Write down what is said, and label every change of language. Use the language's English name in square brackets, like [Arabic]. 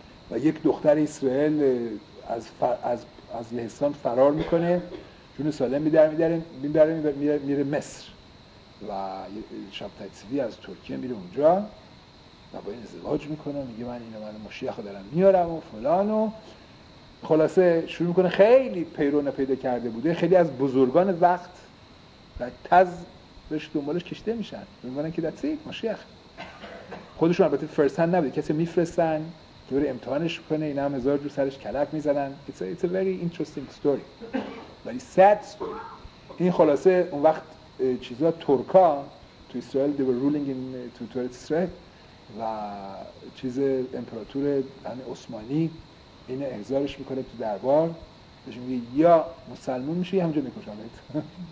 [Persian] و یک دختر اسرائیل از لهستان فرار میکنه، جون سالم میبره میره مصر و شبتای صدی از ترکیه میره اونجا و با این ازدواج میکنه، میگه من اینو من مشیخ دارم میارم و فلان و خلاصه شروع میکنه. خیلی پیرونه پیدا کرده بوده، خیلی از بزرگان وقت و تز بهش دنبالش کشته میشن، میگنن که دتسی مشیخ. خودشون البته فرست هند نبوده، کسی میفرستن که بره امتحانش کنه، اینا هم هزار جور سرش کلک میزنن. [English] It's a very interesting story very sad story. [Persian] این خلاصه اون وقت چیزا ترکا تو اسرائیل [English] they were ruling in territory to Israel [Persian] و چیز امپراتور همین عثمانی این احضارش میکنه تو دربار، بهش میگه یا مسلمون میشه یا همجا میکشنه.